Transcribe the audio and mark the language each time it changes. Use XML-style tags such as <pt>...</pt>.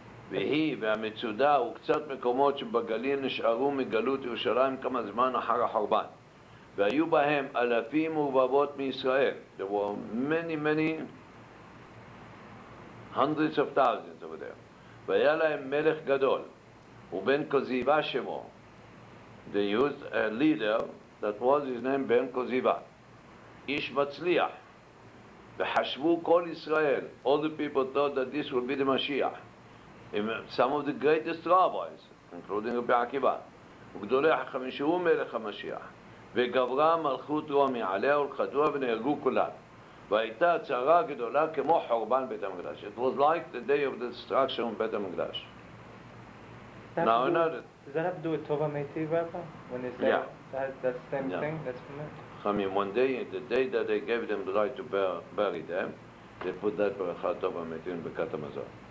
<he>והיא והמצודה הוא קצת מקומות שבגליל נשארו מגלות ירושלים כמה זמן אחר החורבן והיו בהם אלפים ורבבות מישראל.</he> <en>There were many many hundreds of thousands over there.</en> <he>והיה להם מלך גדול ובן כזיבה שמו.</he> <en>They used a leader that was his name בן כזיבה.</en> <he>איש מצליח. וחשבו כל ישראל,</he> <en>all the people thought that this would be the Mashiach. Some of the greatest rabbis, including Rabbi Akiva,</en> <he>וגדולי החכמים שהוא מלך המשיח, וגברה מלכות רומי עליה ולכדוה ונהרגו כולם. והייתה צערה גדולה כמו חורבן בית המקדש.</he> <en>It was like the day of the destruction of בית המקדש. Now another. Does that have to do with Tov HaMeitiv, Rabbi? When they say yeah. That, that's the same thing? That's from it? I mean, one day, the day that they gave them the right to bury them, they put that Berachah Tov HaMeitiv בקת המזון.</en>